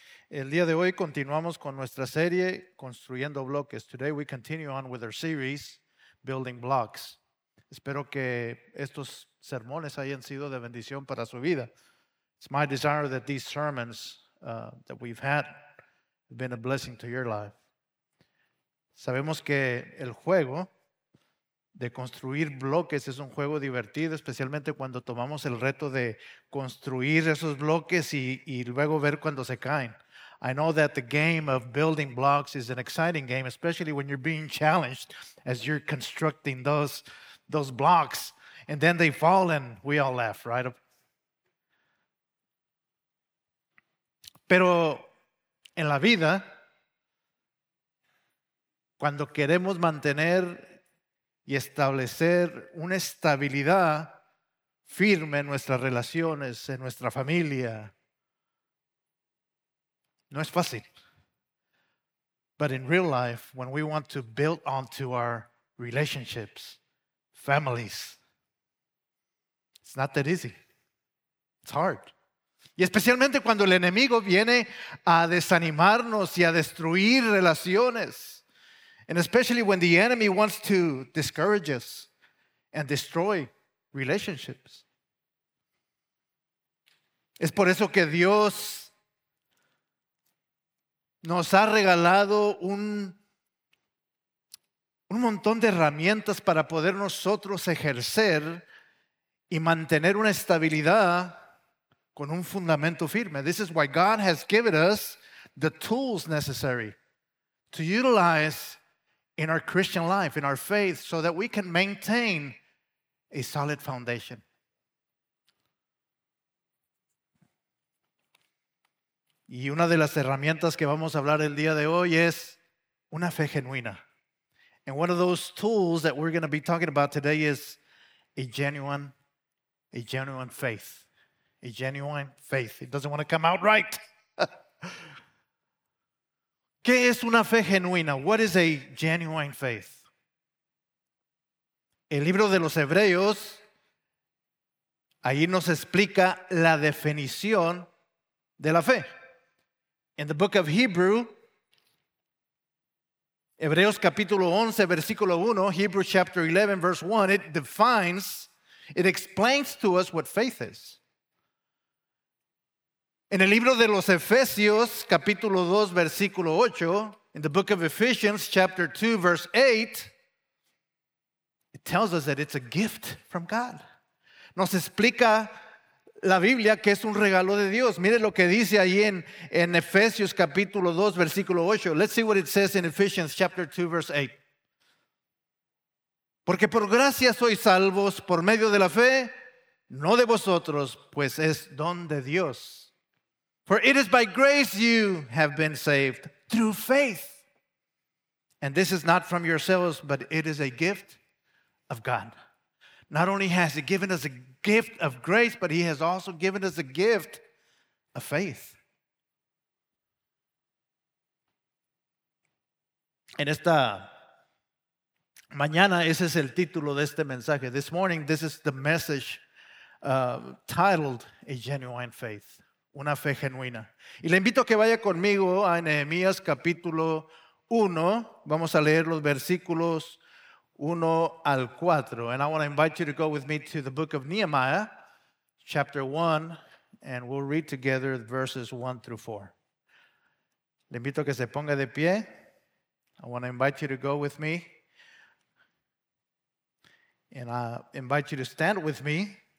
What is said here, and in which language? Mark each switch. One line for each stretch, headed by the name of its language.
Spanish: El día de hoy continuamos con nuestra serie Construyendo Bloques.
English: Today we continue on with our series Building Blocks.
Spanish: Espero que estos sermones hayan sido de bendición para su vida.
English: It's my desire that these sermons that we've had have been a blessing to your life.
Spanish: Sabemos que el juego de construir bloques es un juego divertido, especialmente cuando tomamos el reto de construir esos bloques y luego ver cuando se caen.
English: I know that the game of building blocks is an exciting game, especially when you're being challenged as you're constructing those blocks, and then they fall and we all laugh, right?
Spanish: Pero en la vida, cuando queremos mantener y establecer una estabilidad firme en nuestras relaciones, en nuestra familia, no es fácil.
English: But in real life, when we want to build onto our relationships, families, it's not that easy. It's hard.
Spanish: Y especialmente cuando el enemigo viene a desanimarnos y a destruir relaciones.
English: And especially when the enemy wants to discourage us and destroy relationships.
Spanish: Es por eso que Dios nos ha regalado un montón de herramientas para poder nosotros ejercer y mantener una estabilidad con un fundamento firme.
English: This is why God has given us the tools necessary to utilize in our Christian life, in our faith, so that we can maintain a solid foundation.
Spanish: Y una de las herramientas que vamos a hablar el día de hoy es una fe genuina.
English: And one of those tools that we're going to be talking about today is a genuine faith. A genuine faith. It doesn't want to come out right.
Spanish: ¿Qué es una fe genuina?
English: What is a genuine faith?
Spanish: El libro de los Hebreos, ahí nos explica la definición de la fe.
English: In the book of Hebrew,
Spanish: Hebreos capítulo 11, versículo 1,
English: Hebrews chapter 11, verse 1, it explains to us what faith is.
Spanish: En el libro de los Efesios, capítulo 2, versículo 8,
English: in the book of Ephesians, chapter 2, verse 8, it tells us that it's a gift from God.
Spanish: Nos explica la Biblia que es un regalo de Dios. Mire lo que dice ahí en Efesios, capítulo 2, versículo 8.
English: Let's see what it says in Ephesians, chapter 2, verse 8.
Spanish: Porque por gracia sois salvos por medio de la fe, no de vosotros, pues es don de Dios.
English: For it is by grace you have been saved through faith. And this is not from yourselves, but it is a gift of God. Not only has he given us a gift of grace, but he has also given us a gift of faith.
Spanish: En esta mañana, ese es el título de este mensaje.
English: This morning, this is the message titled A Genuine Faith.
Spanish: Una fe genuina. Y le invito a que vaya conmigo a Nehemías capítulo 1. Vamos a leer los versículos 1 al 4.
English: And I want to invite you to go with me to the book of Nehemiah, chapter 1, and we'll read together verses 1 through 4.
Spanish: Le invito a que se ponga de pie.
English: I want to invite you to go with me. And I invite you to stand with me.